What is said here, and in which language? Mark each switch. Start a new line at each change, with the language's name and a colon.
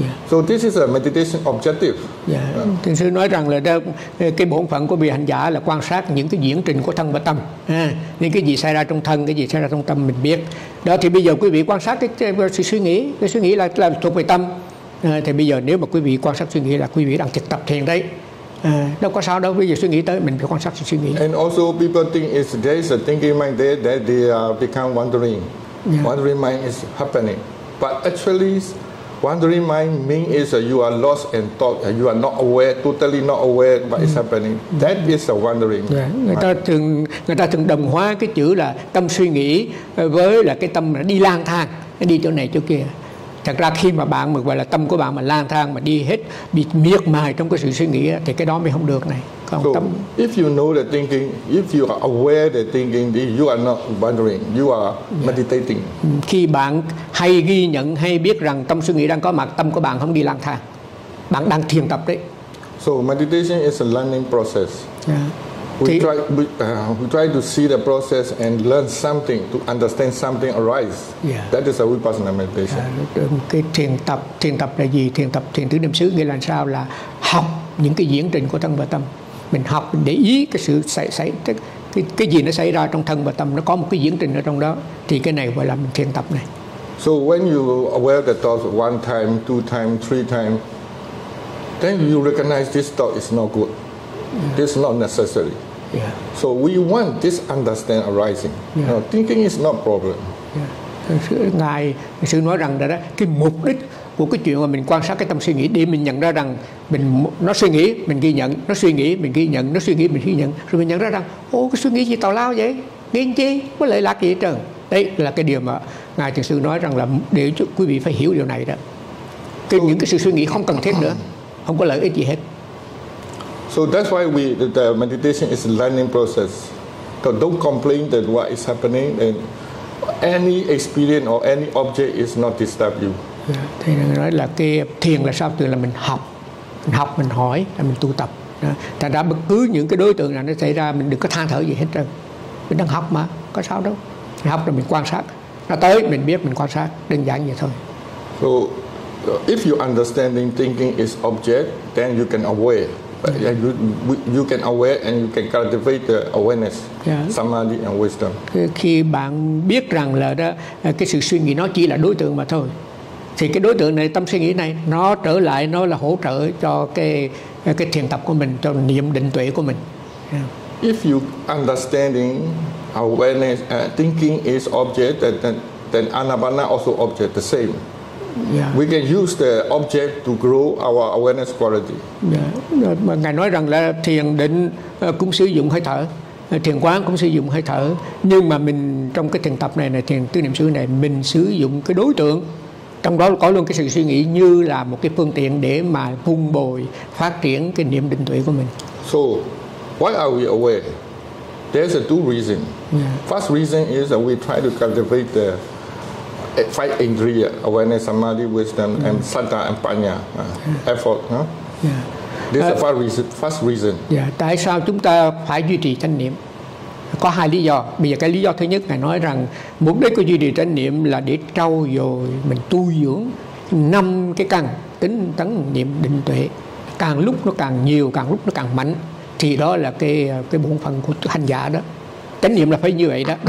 English: So this is a meditation objective.
Vietnamese: Thiền sư nói rằng là đây, cái bổn phận của vị hành giả là quan sát những cái diễn trình của thân và tâm. Những cái gì xảy ra trong thân, cái gì xảy ra trong tâm mình biết. Đó thì bây giờ quý vị quan sát cái suy nghĩ, cái suy nghĩ là thuộc về tâm. Thì bây giờ nếu mà quý vị quan sát suy nghĩ là quý vị đang thực tập thiền đấy. Đâu có sao đâu, bây giờ suy nghĩ tới mình phải quan sát suy nghĩ.
English: And also people think is there is a thinking mind there that they become wandering. Wandering mind is happening. But actually Wandering mind means is you are lost in thought, you are not aware, totally not aware what is happening. That is a wandering. Yeah.
Vietnamese: Người ta thường đồng hóa cái chữ là tâm suy nghĩ với là cái tâm là đi lang thang, đi chỗ này chỗ kia. Thật ra khi mà bạn gọi là tâm của bạn mà lang thang mà đi hết bị miệt mài trong cái sự suy nghĩ thì cái đó mới không được này. Còn so, tâm...
English: if you know the thinking, if you are aware the thinking, you are not wandering, you are meditating.
Vietnamese: Khi bạn hay ghi nhận hay biết rằng tâm suy nghĩ đang có mặt, tâm của bạn không đi lang thang. Bạn đang thiền tập đấy.
English: So meditation is a learning process. We try to see the process and learn something to understand something arise. Yeah. That is a vipassana meditation.
Vietnamese: Cái thiền tập là gì? Thiền tập thiền tứ niệm xứ nghĩa là sao? Là học những cái diễn trình của thân và tâm. Mình học mình để ý cái sự xảy cái gì nó xảy ra trong thân và tâm, nó có một cái diễn trình ở trong đó, thì cái này gọi là mình thiền tập này.
English: So when you aware the thoughts one time, two time, three time, then you recognize this thought is not good. Yeah. This is not necessary. Yeah. So we want this understanding arising. Yeah. No, thinking is not problem. Yeah.
Vietnamese: Ngài sư nói rằng đó, cái mục đích của cái chuyện mà mình quan sát cái tâm suy nghĩ để mình nhận ra rằng mình nó suy nghĩ mình ghi nhận, nó suy nghĩ mình ghi nhận, nó suy nghĩ mình ghi nhận, rồi mình nhận ra rằng ô cái suy nghĩ gì tào lao vậy, nghĩ chi có lợi lạc gì hết trơn. Đấy là cái điều mà ngài thiền sư nói rằng là để cho quý vị phải hiểu điều này đó. Cái so, những cái sự suy nghĩ không cần thiết nữa, không có lợi ích gì hết.
English: So that's why the meditation is a learning process. So don't complain that what is happening and any experience or any object is not disturb you.
Vietnamese: Thì nói là cái thiền là sao? Từ là mình học. Mình học, mình hỏi, mình tu tập. Thành ra bất cứ những cái đối tượng nào nó xảy ra, mình đừng có than thở gì hết trơn. Mình đang học mà, có sao đâu. Mình học rồi mình quan sát. Nó tới, mình biết, mình quan sát. Đơn giản vậy thôi.
English: So, if you understanding thinking is object, then you can aware. Yeah, you can aware and you can cultivate the awareness, samadhi and wisdom.
Vietnamese: Khi bạn biết rằng là đó, cái sự suy nghĩ nó chỉ là đối tượng mà thôi, thì cái đối tượng này, tâm suy nghĩ này, nó trở lại, nó là hỗ trợ cho cái thiền tập của mình, cho niệm định tuệ của mình.
English: Yeah. If you understanding awareness, thinking is object, then anapana also object, the same. Yeah. We can use the object to grow our awareness quality. Yeah.
Vietnamese: Mà ngài nói rằng là thiền định cũng sử dụng hơi thở, thiền quán cũng sử dụng hơi thở, nhưng mà mình trong cái thiền tập này, này thiền tứ niệm xứ này, mình sử dụng cái đối tượng, trong đó có luôn cái sự suy nghĩ như là một cái phương tiện để mà vun bồi phát triển cái niệm định tuệ của mình.
English: So why are we aware? There's a two reason. Yeah. First reason is that we try to cultivate the fight indriya, awareness, samadhi, wisdom, and satta and panya, effort. Huh? Yeah. This is the first reason. Yeah.
Vietnamese: Tại sao chúng ta phải duy trì chánh niệm? Có hai lý do. Bây giờ cái lý do thứ nhất, ngài nói rằng mục đích của duy trì chánh niệm là để trau dồi, mình tu dưỡng năm cái căn tính tấn niệm định tuệ. Càng lúc nó càng nhiều, càng lúc nó càng mạnh, thì đó là cái bổn phận của hành giả đó. Chánh niệm là phải như vậy đó.